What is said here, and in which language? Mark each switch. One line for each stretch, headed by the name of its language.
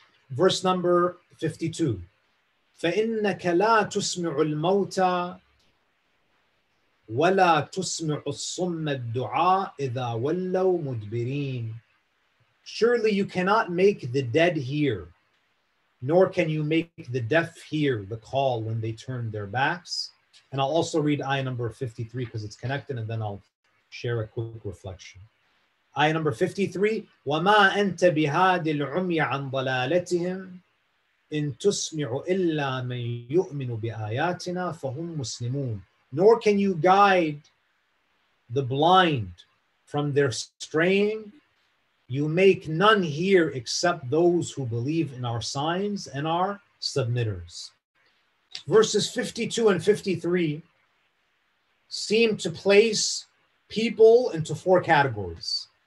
English: Verse number 52.
Arabic: فَإِنَّكَ لَا تُسْمِعُ الْمَوْتَى وَلَا تُسْمِعُ الصُّمَّ الدُّعَاءِ إِذَا وَلَّوْ مُدْبِرِينَ.
English: Surely you cannot make the dead hear, nor can you make the deaf hear the call when they turn their backs. And I'll also read ayah number 53 because it's connected, and then I'll share a quick reflection. Ayah number 53,
Arabic: وَمَا أَنْتَ بِهَادِ الْعُمْيَ عَنْ ضَلَالَتِهِمْ إِن تُسْمِعُ إِلَّا مَنْ يُؤْمِنُ بِآيَاتِنَا فَهُمْ مُسْلِمُونَ.
English: Nor can you guide the blind from their straying. You make none hear except those who believe in our signs and our submitters. Verses 52 and 53 seem to place people into four categories.